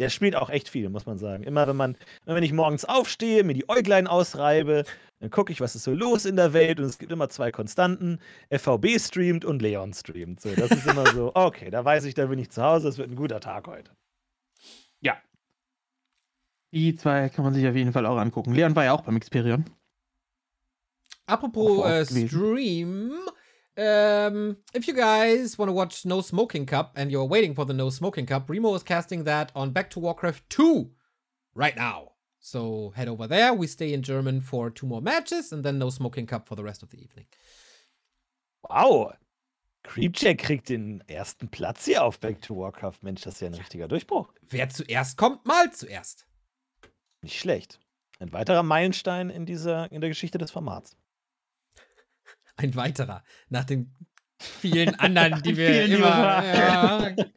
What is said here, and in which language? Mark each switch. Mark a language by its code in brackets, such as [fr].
[de] Der spielt auch echt viel, muss man sagen. Immer wenn ich morgens aufstehe, mir die Äuglein ausreibe, dann gucke ich, was ist so los in der Welt, und es gibt immer 2 Konstanten. FVB streamt und Leon streamt. So, das ist immer so, okay, da weiß ich, da bin ich zu Hause, es wird ein guter Tag heute. Ja. Die 2 kann man sich auf jeden Fall auch angucken. Leon war ja auch beim Xperion. Apropos Stream. [en] If you guys want to watch No Smoking Cup and you're waiting for the No Smoking Cup, Remo is casting that on Back to Warcraft 2 right now. So head over there. We stay in German for 2 more matches and then No Smoking Cup for the rest of the evening. Wow. [de] Creepjack kriegt den ersten Platz hier auf Back to Warcraft. Mensch, das ist ja ein richtiger Durchbruch. Wer zuerst kommt, mal zuerst. Nicht schlecht. Ein weiterer Meilenstein in der Geschichte des Formats. Ein weiterer. Nach den vielen anderen, die wir vielen immer...